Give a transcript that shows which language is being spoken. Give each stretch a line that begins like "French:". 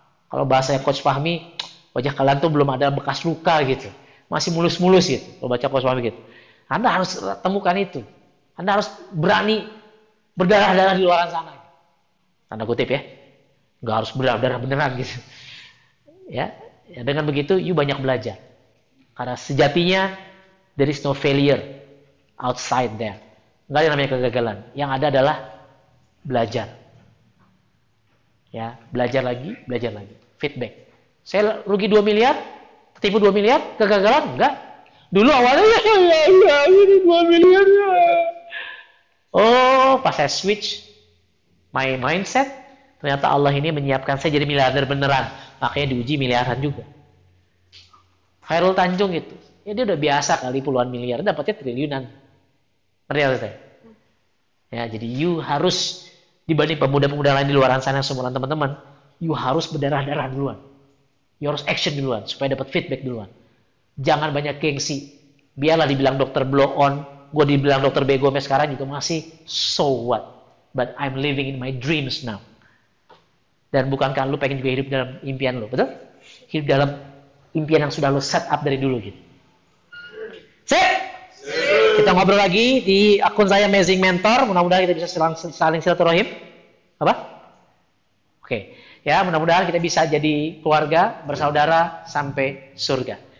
Indonesian: Kalau bahasanya Coach Fahmi, wajah kalian tuh belum ada bekas luka gitu. Masih mulus-mulus gitu, lo baca Coach Fahmi gitu. Anda harus temukan itu. Anda harus berani berdarah-darah di luar sana. Tanda kutip ya. Gak harus berdarah-darah beneran gitu. Ya, dengan begitu, you banyak belajar. Karena sejatinya,
English: there is no failure outside there.
Indonesian: Enggak ada namanya kegagalan. Yang ada adalah belajar. Ya, belajar lagi, feedback. Saya rugi 2 miliar, ketipu 2 miliar, kegagalan enggak? Dulu awalnya ya ini 2 miliar. Oh, pas saya
English: switch my mindset,
Indonesian: ternyata Allah ini menyiapkan saya jadi miliarder beneran. Makanya diuji miliaran juga. Khairul Tanjung itu, ya dia udah biasa kali puluhan miliar, dapatnya triliunan. Ya, jadi you harus, dibanding pemuda-pemuda lain di luar sana, semua teman-teman, you harus berdarah-darah duluan. You harus action duluan, supaya dapat feedback duluan. Jangan banyak gengsi. Biarlah dibilang dokter blow on, gue dibilang dokter bego, sampai sekarang juga masih,
English: so what? But I'm living in my dreams now.
Indonesian: Dan bukankah lu pengen juga hidup dalam impian lu, betul? Hidup dalam impian yang sudah lu set up dari dulu gitu. Sip! Kita ngobrol lagi di akun saya Amazing Mentor. Mudah-mudahan kita bisa saling silaturahim. Apa? Oke. Okay. Ya, mudah-mudahan kita bisa jadi keluarga, bersaudara, sampai surga.